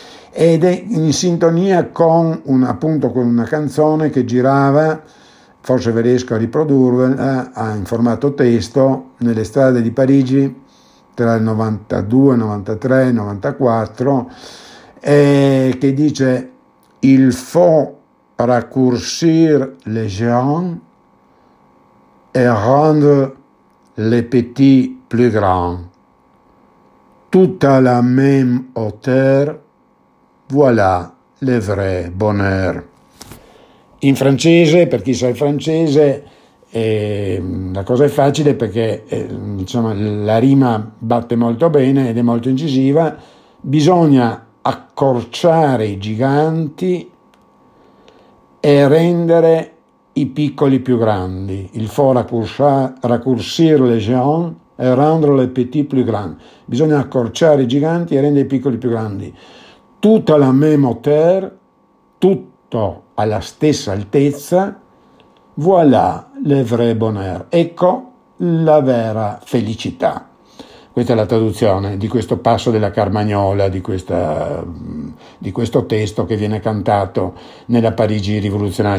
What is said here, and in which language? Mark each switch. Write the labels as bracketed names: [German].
[Italian] Ed è in sintonia con una canzone che girava, forse riesco a riprodurla in formato testo, nelle strade di Parigi tra il 92, 93 e 94, che dice: [French] il faut raccourcir les gens et rendre les petits plus grands. Tout à la même hauteur, voilà le vrai bonheur. [Italian] In francese, per chi sa il francese, la cosa è facile perché la rima batte molto bene ed è molto incisiva. Bisogna accorciare i giganti e rendere i piccoli più grandi. [French] Il faut raccourcir les gens et rendre les petits plus grands. [Italian] Bisogna accorciare i giganti e rendere i piccoli più grandi. Tutta la [French] même hauteur, [Italian] tutto alla stessa altezza, [French] voilà le vrai bonheur, [Italian] ecco la vera felicità. Questa è la traduzione di questo passo della Carmagnola, di questo testo che viene cantato nella Parigi rivoluzionaria.